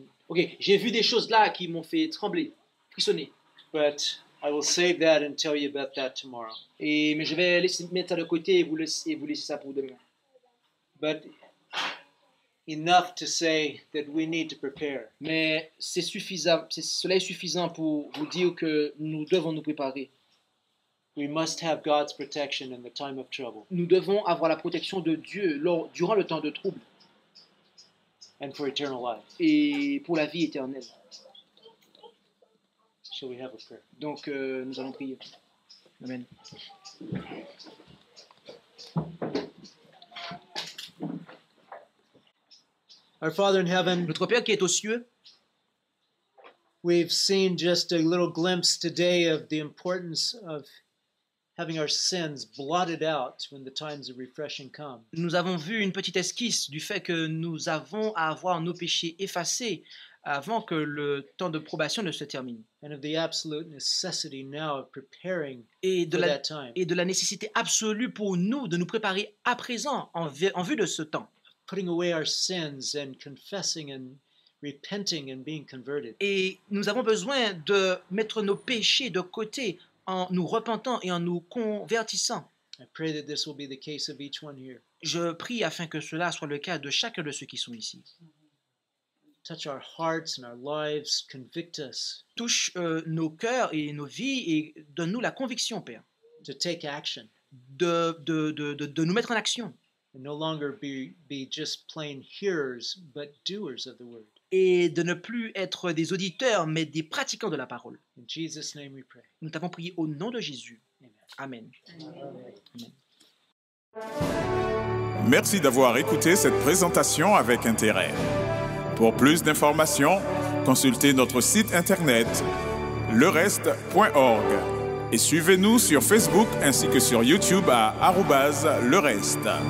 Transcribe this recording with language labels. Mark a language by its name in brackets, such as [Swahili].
[French] Okay, j'ai vu des choses là qui m'ont fait trembler, frissonner. [English] But I will save that and tell you about that tomorrow. [French] Mais je vais mettre ça de côté et vous laisser ça pour demain. [English] But enough to say that we need to prepare. [French] Mais cela est suffisant pour vous dire que nous devons nous préparer. [English] We must have God's protection in the time of trouble. [French] Nous devons avoir la protection de Dieu durant le temps de trouble. [English] And for eternal life. [French] Et pour la vie éternelle. [English] Shall we have a prayer? [French] Donc nous allons prier. Amen. [English] Our Father in heaven, [French] notre Père qui est aux cieux, [English] we've seen just a little glimpse today of the importance of having our sins blotted out when the times of refreshing come. [French] Nous avons vu une petite esquisse du fait que nous avons à avoir nos péchés effacés avant que le temps de probation ne se termine. [English] And of the absolute necessity now of preparing for that time. [French] Et de la nécessité absolue pour nous de nous préparer à présent en vue de ce temps. [English] Putting away our sins and confessing and repenting and being converted. [French] Et nous avons besoin de mettre nos péchés de côté en nous repentant et en nous convertissant. [English] I pray that this will be the case of each one here. [French] Je prie afin que cela soit le cas de chacun de ceux qui sont ici. [English] Touch our hearts and our lives, convict us. [French] Touche nos cœurs et nos vies et donne-nous la conviction, Père. [English] To take action. [French] De nous mettre en action. [English] And no longer be just plain hearers, but doers of the word. [French] Et de ne plus être des auditeurs, mais des pratiquants de la parole. [English] In Jesus' name we pray. [French] Nous t'avons prié au nom de Jésus. Amen. Amen. Merci d'avoir écouté cette présentation avec intérêt. Pour plus d'informations, consultez notre site internet lereste.org et suivez-nous sur Facebook ainsi que sur YouTube à @lereste.